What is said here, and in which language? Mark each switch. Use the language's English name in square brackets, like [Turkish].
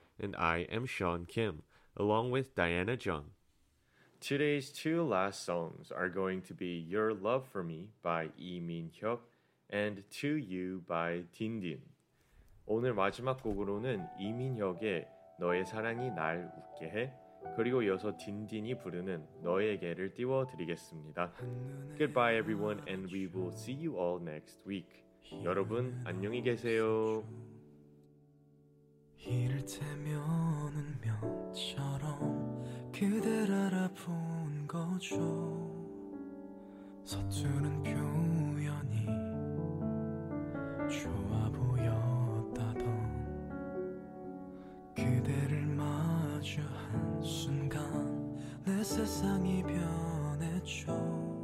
[English] And I am Sean Kim, along with Diana Jung. Today's two last songs are going to be Your Love For Me by Lee Min-hyuk and To You by Din Din. [Korean] 오늘 마지막 곡으로는 이민혁의 너의 사랑이 날 웃게 해, 그리고 이어서 딘딘이 부르는 너에게를 띄워드리겠습니다. [English] Goodbye everyone, and we will see you all next week. [Korean] 여러분 안녕히 계세요. 이를테면 운명처럼 그댈 알아본 거죠. 서투른 표현이 좋아 보였다던 그대를 마주한 순간 내 세상이 변했죠.